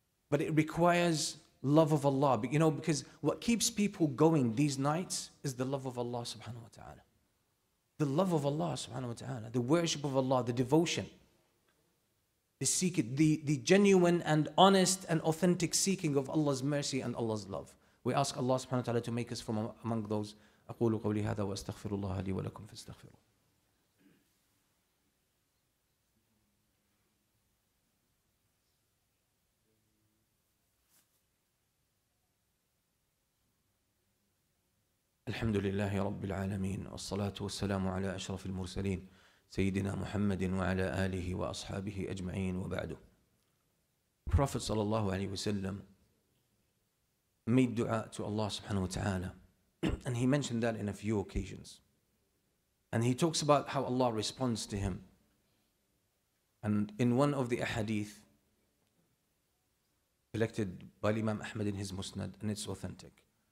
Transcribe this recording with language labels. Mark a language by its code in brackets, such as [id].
[en] But it requires love of Allah. You know, because what keeps people going these nights is the love of Allah subhanahu wa ta'ala. The love of Allah subhanahu wa ta'ala. The worship of Allah, the devotion. The seeking, the genuine and honest and authentic seeking of Allah's mercy and Allah's love. We ask Allah subhanahu wa ta'ala to make us from among those. [ar] أقول قولي هذا وأستغفر الله لي ولكم فاستغفروه. الحمد لله رب العالمين والصلاة والسلام على أشرف المرسلين سيدنا محمد وعلى آله وأصحابه أجمعين وبعده. [en] Prophet [ar] صلى الله عليه وسلم [en] made دعاء to Allah [ar] سبحانه وتعالى, [en] and he mentioned that in a few occasions, and he talks about how Allah responds to him. And in one of the ahadith collected by Imam Ahmad in his Musnad, and it's authentic,